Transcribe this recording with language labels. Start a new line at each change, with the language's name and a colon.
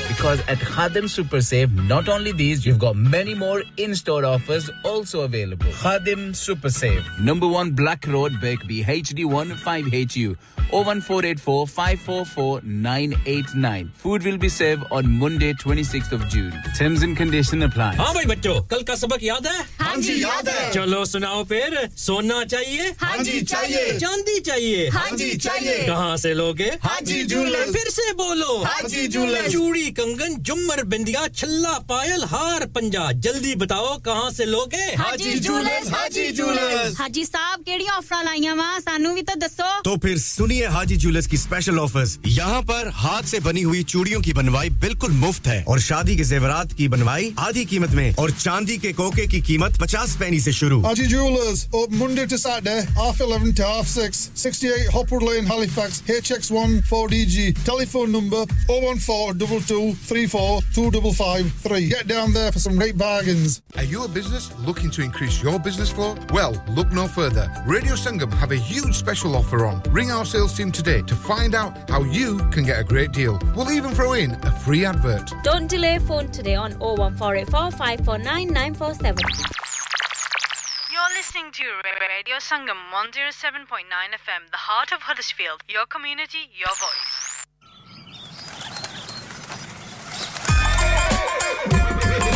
English: Because at Khadim Super Save, not only these, you've got many more in-store offers also available. Khadim Super Save, number 1 Black Road, Birkby, HD 81 5HU, 01484-544-989. Food will be served on Monday, 26th of June. Terms and conditions apply.
Hindi: हाँ भाई बच्चों, कल का सबक याद है? हाँ जी याद है. चलो सुनाओ फिर. सोना चाहिए? हाँ जी चाहिए. चांदी चाहिए? हाँ जी चाहिए. कहाँ से लोगे? हाँ जी ज्वेलर्स. फिर से बोलो. हाँ जी ज्वेलर्स. चूड़ी, कंगन, जुमर, बिंदिया, छल्ला, पायल, हार, पंजा. जल्दी बताओ कहाँ से लोगे? हाँ जी ज्वेलर्स. हाँ जी ज्वेलर्स. हाँ जी साहब,
Punjabi: केड़ी ऑफर लाइया वा? सानू भी तो दसो.
Hindi: तो फिर सुनिए हाजी ज्वेलर्स की स्पेशल ऑफर्स. यहाँ पर हाथ से बनी हुई चूड़ियों की बनवाई बिल्कुल मुफ्त है और शादी के जेवरात की बनवाई आधी कीमत में और चांदी के कोके की कीमत 50 पैनी से शुरू.
English: Haji jewellers, open Monday to Saturday half 11 to half 6, 68 Hopwood Lane, Halifax, HX1 4DG. Telephone number 01422342553. Get down there for some great bargains. Are you a business looking to increase your business flow? Well, look no further. Radio Sangam have a huge special offer on. Ring our sales team today to find out how you can get a great deal. We'll even throw in a free advert. Don't delay, phone today on 01484549947. You're listening to Radio Sangam 107.9 FM, the heart of Huddersfield. Your community, your voice.